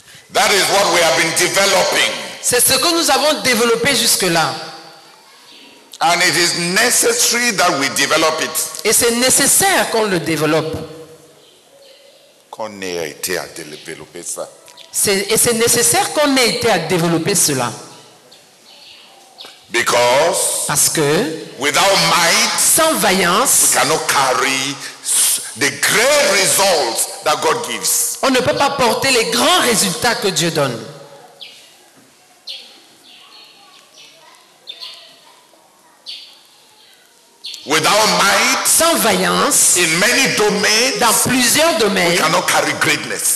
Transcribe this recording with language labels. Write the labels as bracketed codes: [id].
[en] That is what we have been developing. [fr] C'est ce que nous avons développé jusque-là. [en] And it is necessary that we develop it. [fr] Et c'est nécessaire qu'on le développe. Qu'on ait été à développer ça. C'est nécessaire qu'on ait été à développer cela. [en] Because [fr] parce que [en] without might, [fr] sans vaillance, [en] we cannot carry the great results that God gives. [fr] On ne peut pas porter les grands résultats que Dieu donne. [en] Without might, [fr] sans vaillance, [en] in many domains, [fr] dans plusieurs domaines, [en] we cannot carry greatness.